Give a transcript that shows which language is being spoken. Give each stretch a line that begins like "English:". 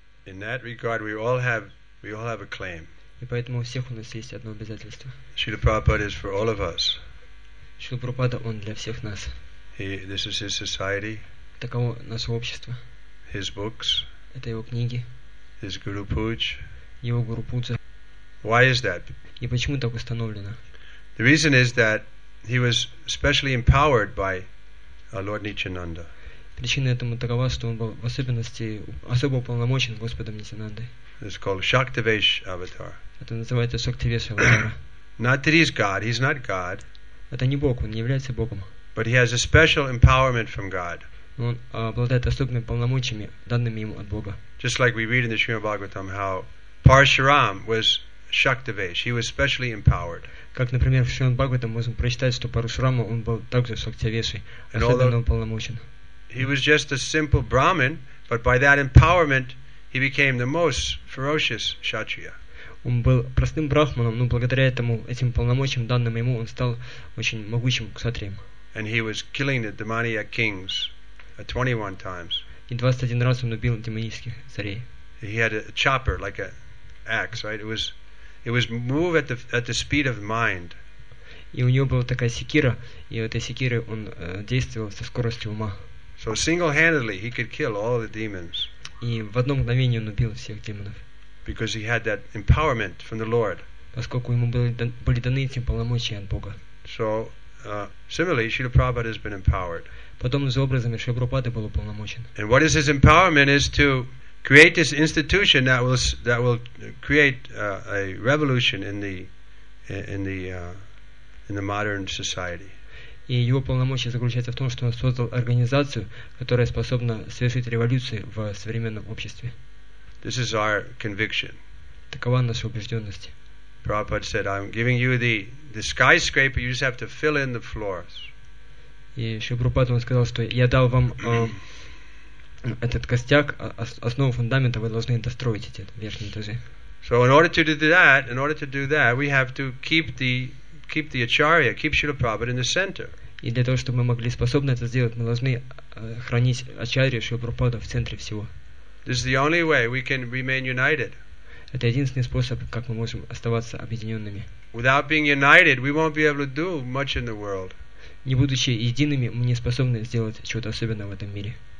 English: In that regard, we all have a claim.
Russian: И поэтому у всех у нас есть одно обязательство.
English: Шрила Прабхупада is for all of us.
Russian: Шрила Прабхупада он для всех нас.
English: This is his society.
Russian: Таково наше общество.
English: His books.
Russian: Это его книги.
English: His Guru Pooja.
Russian: Его Guru Pooja.
English: Why is that?
Russian: И почему так установлено?
English: The reason is that he was specially empowered by Lord Nityananda.
Russian: Причина этому такова, что он был в особенности особо уполномочен Господом Нитянандой.
English: It's called Shaktivesh Avatar.
Russian: Это называется Шактивеш Аватар.
English: Not that he's God. He's not God.
Russian: Это не Бог. Он не является Богом.
English: But he has a special empowerment from God.
Russian: Он обладает особыми полномочиями, данными ему от Бога.
English: Just like we read in the Srimad Bhagavatam how Parashuram was Shaktivesh. He was specially empowered.
Russian: Как, например, в Шримад Бхагаватам можем прочитать, что Парашурама он был также Шактивеши, особенно уполномочен.
English: He was just a simple Brahmin, but by that empowerment, he became the most ferocious Kshatriya.
Russian: Он был простым брахманом, но благодаря этому этим полномочиям данным ему он стал очень могучим ксатрием.
English: And he was killing the demoniac kings 21 times.
Russian: И 21 раз он убил демонических царей.
English: He had a chopper like an axe, right? It was move at the speed of mind.
Russian: И у него была такая секира, и этой секирой он действовал со скоростью ума.
English: So single-handedly he could kill all the demons.
Russian: И в одно мгновение он убил всех демонов.
English: Because he had that empowerment from the Lord.
Russian: Поскольку ему были даны эти полномочия от Бога.
English: So similarly, Srila Prabhupada has been empowered.
Russian: Потом же образом Шрила Прабхупада был уполномочен.
English: And what is his empowerment is to create this institution that will create a revolution in the modern society.
Russian: И его полномочия заключаются в том, что он создал организацию, которая способна совершить революцию в современном обществе.
English: This is our conviction.
Russian: Такова наша убежденность.
English: Prabhupada said, I'm giving you the skyscraper, you just have to fill in the floors.
Russian: И Шрила Прабхупада сказал, что я дал вам этот костяк, основу фундамента, вы должны достроить эти верхние этажи.
English: So in order to do that, we have to keep the acharya, keep Srila Prabhupada in the center.
Russian: И для того, чтобы мы могли способны это сделать, мы должны хранить ачарью Шрила Прабхупада в центре всего.
English: This is the only way we can remain united.
Russian: Это единственный способ, как мы можем оставаться объединенными.
English: Without being united, we won't be able to do much in the world.
Russian: Не будучи едиными, мы не способны сделать чего-то особенного в этом мире.